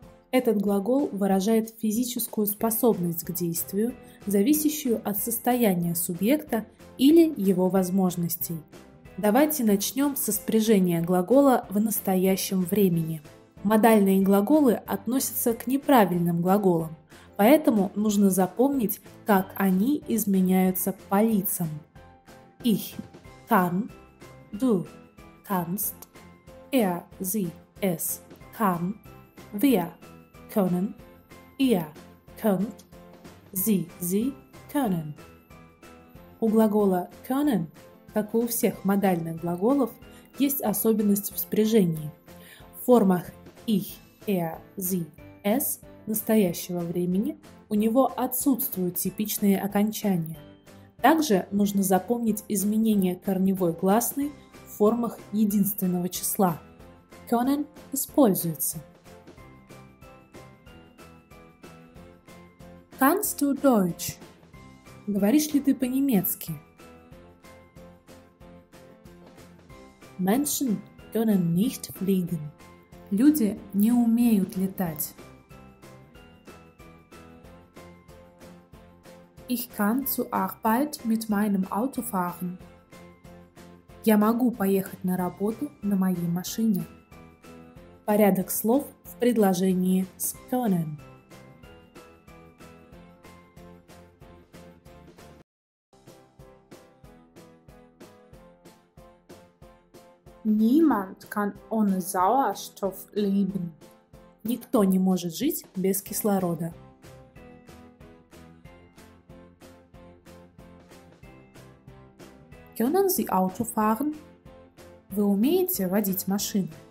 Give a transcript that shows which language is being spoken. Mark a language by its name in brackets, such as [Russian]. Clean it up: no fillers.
[Russian] Этот глагол выражает физическую способность к действию, зависящую от состояния субъекта или его возможностей. Давайте начнем со спряжения глагола в настоящем времени. Модальные глаголы относятся к неправильным глаголам, поэтому нужно запомнить, как они изменяются по лицам. [German] Ich kann, du kannst, er, sie, es kann, wir können, ihr könnt, sie können. [Russian] У глагола können, как и у всех модальных глаголов, есть особенность в спряжении. В формах ich, er, sie, es настоящего времени у него отсутствуют типичные окончания. Также нужно запомнить изменение корневой гласной в формах единственного числа. Können используется. [German] Kannst du Deutsch? [Russian] Говоришь ли ты по-немецки? [German] Menschen können nicht fliegen. [Russian] Люди не умеют летать. [German] Ich kann zur Arbeit mit meinem Auto fahren. [Russian] Я могу поехать на работу на моей машине. Порядок слов в предложении с können. [German] Niemand kann ohne Sauerstoff leben. [Russian] Никто не может жить без кислорода. [German] Können Sie Auto fahren? [Russian] Вы умеете водить машину?